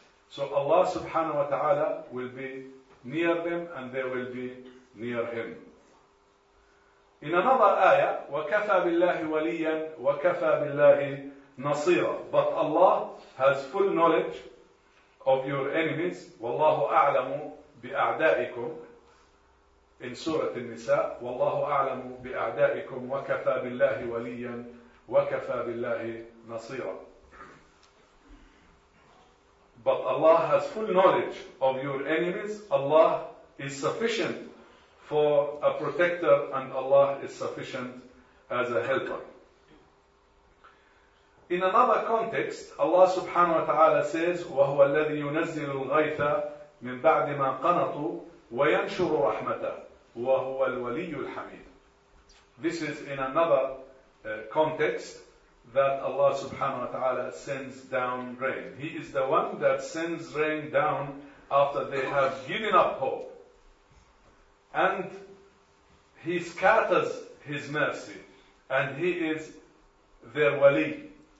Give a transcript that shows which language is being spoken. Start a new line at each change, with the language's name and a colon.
English: So Allah subhanahu wa ta'ala will be near them and they will be near Him. In another ayah,
Arabic: وَكَفَى بِاللَّهِ وَلِيًّا وَكَفَى بِاللَّهِ نَصِيرًا.
English: But Allah has full knowledge of your enemies.
Arabic: وَاللَّهُ أَعْلَمُ بِأَعْدَائِكُمْ.
English: In Surah An-Nisa,
Arabic: وَاللَّهُ أَعْلَمُ بِأَعْدَائِكُمْ وَكَفَى بِاللَّهِ وَلِيًّا وَكَفَى بِاللَّهِ نَصِيرًا.
English: But Allah has full knowledge of your enemies. Allah is sufficient for a protector, and Allah is sufficient as a helper. In another context, Allah subhanahu wa ta'ala says,
Arabic: وَهُوَ الَّذِي يُنَزِّلُ الْغَيْثَ مِنْ بَعْدِ مَا قَنَطُوا وَيَنْشُرُ رَحْمَتَهُ وَهُوَ الْوَلِيُّ الْحَمِيدُ.
English: This is in another context that Allah subhanahu wa ta'ala sends down rain. He is the one that sends rain down after they have given up hope. And He scatters His mercy, and He is their wali.